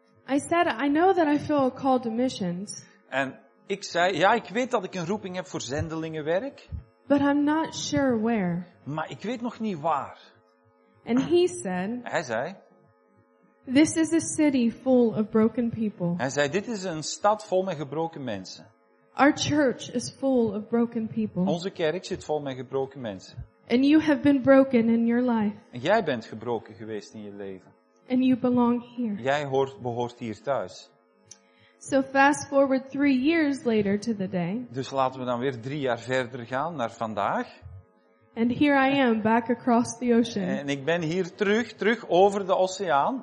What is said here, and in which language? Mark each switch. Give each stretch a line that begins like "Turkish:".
English: I said, "I know that I feel a call to missions."
Dutch: En ik zei, ja, ik weet dat ik een roeping heb voor zendelingenwerk.
English: But I'm not sure where.
Dutch: Maar ik weet nog niet waar.
English: And he said,
Dutch: hij zei,
English: "This is a city full of broken people."
Dutch: Hij zei, dit is een stad vol met gebroken mensen.
English: "Our church is full of broken people."
Dutch: Onze kerk zit vol met gebroken mensen.
English: "And you have been broken in your life."
Dutch: En jij bent gebroken geweest in je leven.
English: "And you belong here."
Dutch: Jij behoort hier thuis.
English: So fast forward 3 years later to the day.
Dutch: Dus laten we dan weer 3 jaar verder gaan naar vandaag.
English: "And here I am back across the ocean."
Dutch: En ik ben hier terug over de oceaan.